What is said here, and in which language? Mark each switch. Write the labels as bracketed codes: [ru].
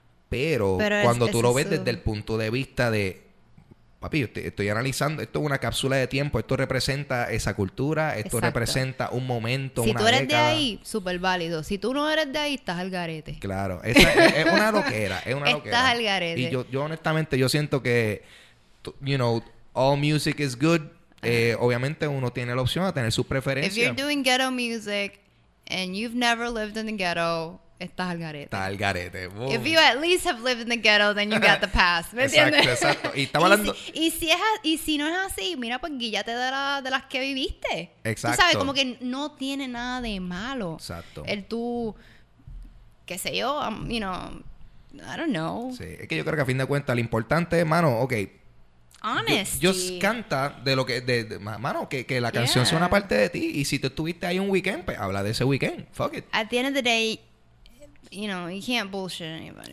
[es] Pero cuando tú lo ves desde el punto de vista de, papi, estoy analizando, esto es una cápsula de tiempo, esto representa esa cultura, esto representa un momento, si una década. Si tú eres de ahí, súper válido. Si tú no eres de ahí, estás al garete. Claro, esa es una loquera, es una loquera. Estás al garete. Y yo honestamente, yo siento que, [en] you know, all music is good. [es] Obviamente uno tiene la opción de tener su preferencia. [en] If you're doing ghetto music and you've never lived in the ghetto, [es] estás al garete. Estás al garete. Boom. [en] If you at least have lived in the ghetto, then you got the pass. [es] ¿Me entiendes? Exacto, exacto. Y estaba hablando... Y si no es así, mira, pues guíllate de las que viviste. Exacto. Tú sabes, como que no tiene nada de malo. Exacto. El tú, qué sé yo, [en] you know, I don't know. [es] Sí, es que yo creo que a fin de cuentas lo importante, mano, ok... [en] Honesty. Just [es] canta de lo que... mano, que la canción sea una parte de ti. Y si tú estuviste ahí un weekend, pues habla de ese weekend. [en] Fuck it. At the end of the day, you know, you can't bullshit anybody.